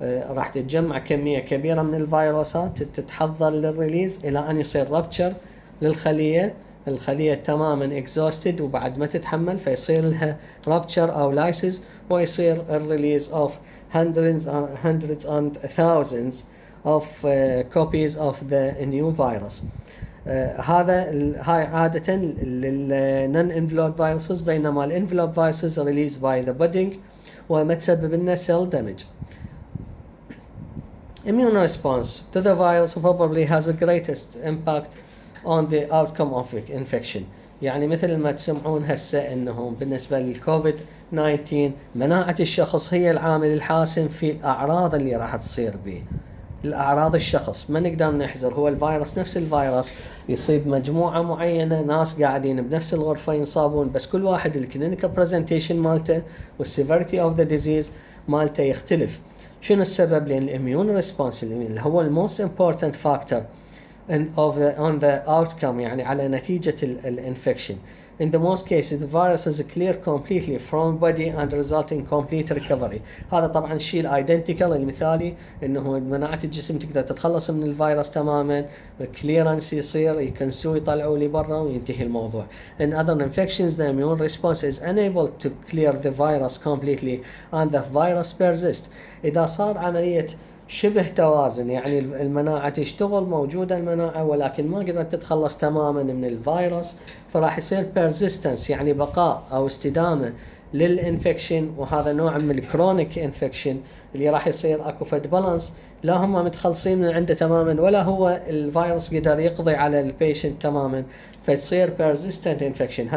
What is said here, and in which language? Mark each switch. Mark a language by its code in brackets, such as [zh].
[ar] راح تتجمع كميه كبيره من الفيروسات تتحضر للريليز الى ان يصير رابتشر للخليه، الخليه تماما اكزوستد وبعد ما تتحمل فيصير لها رابتشر او لايسز ويصير الريليز اوف [en] hundreds and thousands of copies of the new virus. [ar] هاي عادة للنن انفلوب فيروسز، بينما الانفلوب فيروسز ريليز باي ذا بودينج وما تسبب لنا سيل دامج. [en] Immune response to the virus probably has the greatest impact on the outcome of infection. [ar] يعني مثل ما تسمعون هسه انهم بالنسبه للكوفيد 19 مناعه الشخص هي العامل الحاسم في الاعراض اللي راح تصير به. الاعراض الشخص ما نقدر نحذر، هو الفيروس نفس الفيروس يصيب مجموعه معينه ناس قاعدين بنفس الغرفه ينصابون، بس كل واحد الكلينيكال برزنتيشن مالته والسيفيرتي اوف ذا ديزيز مالته يختلف. شنو السبب؟ لان الاميون ريسبونس اللي هو الموست امبورتنت فاكتور [en] and of the on the outcome [ar] يعني على نتيجة ال infection. [en] In the most cases the virus is clear completely from body and result in complete recovery. [ar] هذا طبعا الشيء الايدنتيكال المثالي انه مناعة الجسم تقدر تتخلص من الفيروس تماما، clearance يصير يكنسوه يطلعوه لبرا وينتهي الموضوع. [en] In other infections the immune response is unable to clear the virus completely and the virus persists. [ar] إذا صار عملية شبه توازن يعني المناعة تشتغل، موجودة المناعة ولكن ما قدرت تتخلص تماما من الفيروس، فراح يصير persistence يعني بقاء أو استدامة للإنفكشن، وهذا نوع من الكرونيك إنفكشن اللي راح يصير أكو فد بالانس، لا هم متخلصين من عنده تماما ولا هو الفيروس قدر يقضي على البيشنت تماما، فتصير persistent infection.